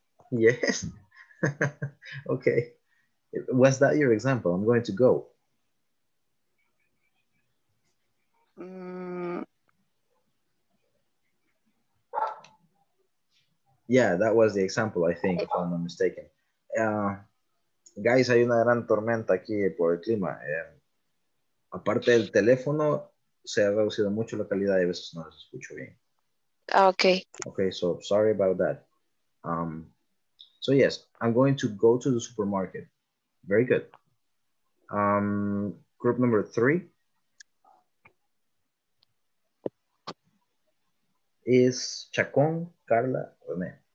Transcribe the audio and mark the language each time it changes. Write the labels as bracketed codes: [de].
[en] Yes. Okay. Was that your example? I'm going to go. Yeah, that was the example, I think, if I'm not mistaken. [es] Guys, hay una gran tormenta aquí por el clima. Aparte del teléfono, se ha reducido mucho la calidad y a veces no se escucha bien. [en] Okay. Okay, so sorry about that. So yes, I'm going to go to the supermarket. Very good. Group number three is Chacón, Carla, René.